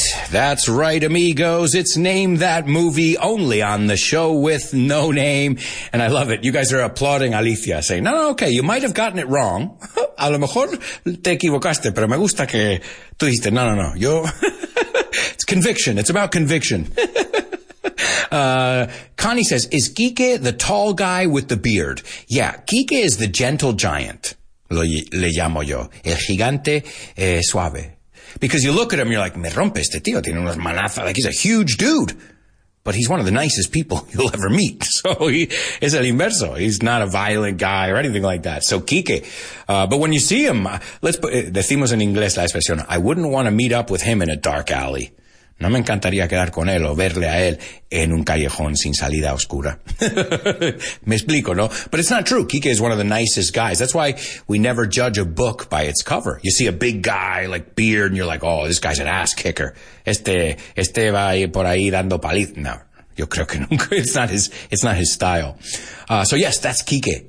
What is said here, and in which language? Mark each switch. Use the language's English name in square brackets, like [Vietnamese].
[English] That's right, amigos. It's Name That Movie, only on the show with no name. And I love it. You guys are applauding Alicia, saying, no, okay, you might have gotten it wrong. [Spanish] A lo mejor te equivocaste, pero me gusta que tú dijiste, no. [English] Yo, it's conviction. It's about conviction. Connie says, is Quique the tall guy with the beard? Yeah, Quique is the gentle giant. [Spanish] Le llamo yo. El gigante suave. [English] Because you look at him, you're like, [Spanish] me rompe este tío, tiene unas manazas, [English] like he's a huge dude. But he's one of the nicest people you'll ever meet. So he is [Spanish] el inverso. [English] He's not a violent guy or anything like that. So Quique. But when you see him, let's put, [Spanish] decimos en inglés la expresión, [English] I wouldn't want to meet up with him in a dark alley. [Spanish] No me encantaría quedar con él o verle a él en un callejón sin salida oscura. Me explico, ¿no? [English] But it's not true. Quique is one of the nicest guys. That's why we never judge a book by its cover. You see a big guy, like beard, and you're like, oh, this guy's an ass kicker. [Spanish] Este va ahí por ahí dando paliz. No, yo creo que nunca. [English] It's not his style. So yes, that's Quique.